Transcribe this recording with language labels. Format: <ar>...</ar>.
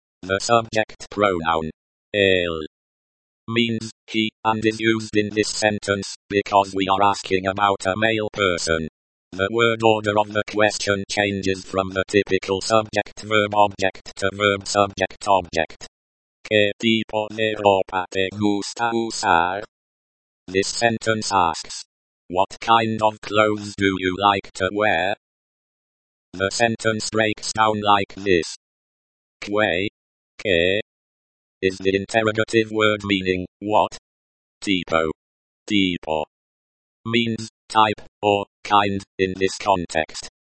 <en>The subject pronoun, él, means, he, and is used in this sentence, because we are asking about a male person. The word order of the question changes from the typical subject-verb-object to verb-subject-object.</en> <es>¿Qué tipo de ropa te gusta usar?</es> <en>This sentence asks, what kind of clothes do you like to wear? The sentence breaks down like this. ¿Qué? ¿Qué? Is the interrogative word meaning, what? Tipo. Tipo. Means, type, or, kind, in this context.</en>